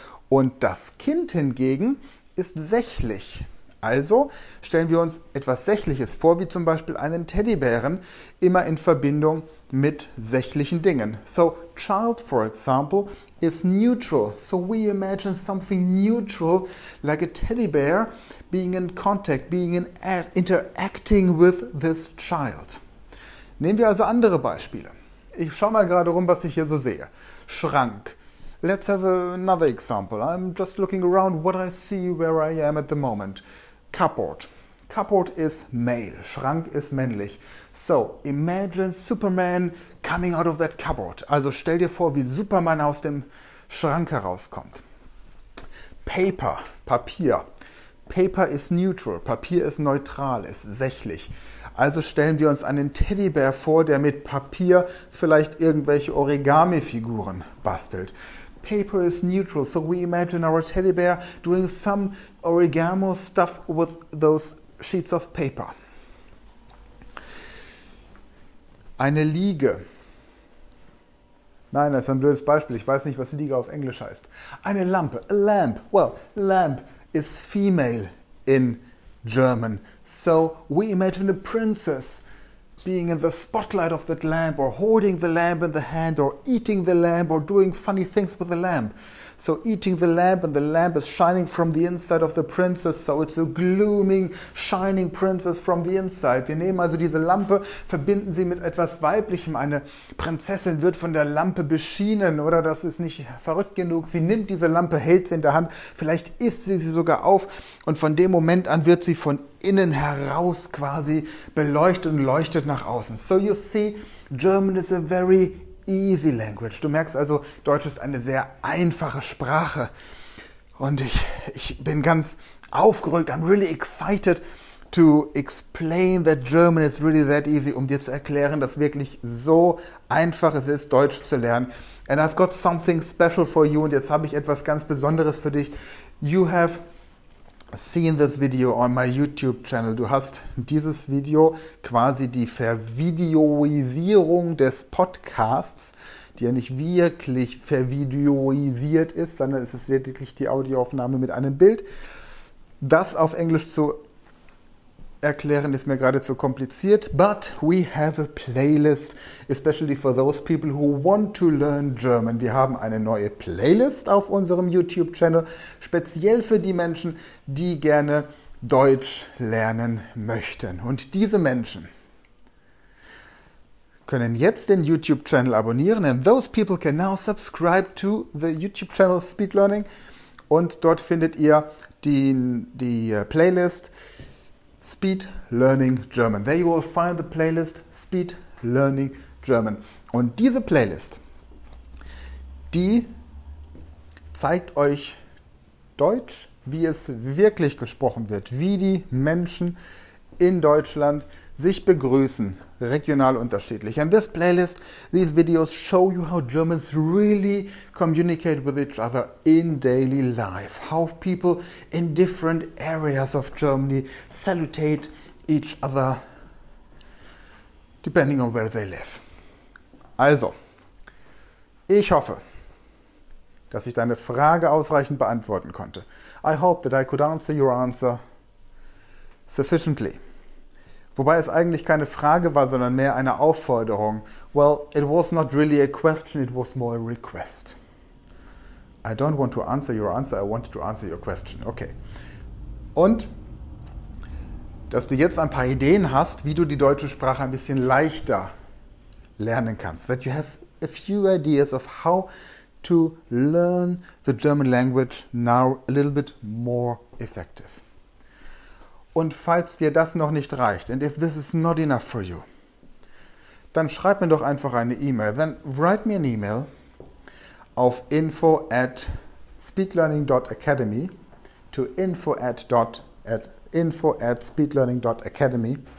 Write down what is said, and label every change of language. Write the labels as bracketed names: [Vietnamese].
[German] Und das Kind hingegen ist sächlich. Also stellen wir uns etwas Sächliches vor, wie zum Beispiel einen Teddybären, immer in Verbindung mit sächlichen Dingen. [English] So, child, for example, is neutral. So we imagine something neutral, like a teddy bear, being in contact, being in interacting with this child. [German] Nehmen wir also andere Beispiele. Ich schaue mal gerade rum, was ich hier so sehe. Schrank. [English] Let's have another example. I'm just looking around what I see where I am at the moment. Cupboard. Cupboard is male. [German] Schrank ist männlich. [English] So, imagine Superman coming out of that cupboard. [German] Also stell dir vor, wie Superman aus dem Schrank herauskommt. [English] Paper, Papier. Paper is neutral. [German] Papier ist neutral, ist sächlich. Also stellen wir uns einen Teddybär vor, der mit Papier vielleicht irgendwelche Origami-Figuren bastelt. [English] Paper is neutral, so we imagine our teddy bear doing some origami stuff with those sheets of paper. [German] Eine Liege. Nein, das ist ein blödes Beispiel. Ich weiß nicht, was Liege auf Englisch heißt. Eine Lampe. [English] A lamp. Well, lamp is female in German. So we imagine a princess being in the spotlight of that lamp or holding the lamp in the hand or eating the lamp or doing funny things with the lamp. So eating the lamp and the lamp is shining from the inside of the princess. So it's a glooming, shining princess from the inside. [German] Wir nehmen also diese Lampe, verbinden sie mit etwas Weiblichem. Eine Prinzessin wird von der Lampe beschienen, oder? Das ist nicht verrückt genug. Sie nimmt diese Lampe, hält sie in der Hand, vielleicht isst sie sie sogar auf und von dem Moment an wird sie von innen heraus quasi beleuchtet und leuchtet nach außen. [English] So you see, German is a very easy language. [German] Du merkst also, Deutsch ist eine sehr einfache Sprache. Und ich bin ganz aufgerückt. [English] I'm really excited to explain that German is really that easy, [German] um dir zu erklären, dass wirklich so einfach es ist, Deutsch zu lernen. [English] And I've got something special for you. [German] Und jetzt habe ich etwas ganz Besonderes für dich. [English] You have seen this video on my YouTube channel. [German] Du hast dieses Video quasi die Vervideoisierung des Podcasts, die ja nicht wirklich vervideoisiert ist, sondern es ist lediglich die Audioaufnahme mit einem Bild. Das auf Englisch zu erklären ist mir gerade zu kompliziert. [English] But we have a playlist, especially for those people who want to learn German. [German] Wir haben eine neue Playlist auf unserem YouTube-Channel, speziell für die Menschen, die gerne Deutsch lernen möchten. Und diese Menschen können jetzt den YouTube-Channel abonnieren. [English] And those people can now subscribe to the YouTube-Channel Speed Learning. [German] Und dort findet ihr die Playlist. Speed Learning German. [English] There you will find the playlist Speed Learning German. [German] Und diese Playlist, die zeigt euch Deutsch, wie es wirklich gesprochen wird, wie die Menschen in Deutschland sich begrüßen, regional unterschiedlich. [English] And this playlist, these videos show you how Germans really communicate with each other in daily life. How people in different areas of Germany salutate each other, depending on where they live. [German] Also, ich hoffe, dass ich deine Frage ausreichend beantworten konnte. [English] I hope that I could answer your answer sufficiently. [German] Wobei es eigentlich keine Frage war, sondern mehr eine Aufforderung. [English] Well, it was not really a question, it was more a request. I don't want to answer your answer, I wanted to answer your question. Okay. [German] Und dass du jetzt ein paar Ideen hast, wie du die deutsche Sprache ein bisschen leichter lernen kannst. [English] That you have a few ideas of how to learn the German language now a little bit more effective. [German] Und falls dir das noch nicht reicht, [English] and if this is not enough for you, [German] dann schreib mir doch einfach eine E-Mail. [English] Then write me an email auf info@speedlearning.academy to info@speedlearning.academy.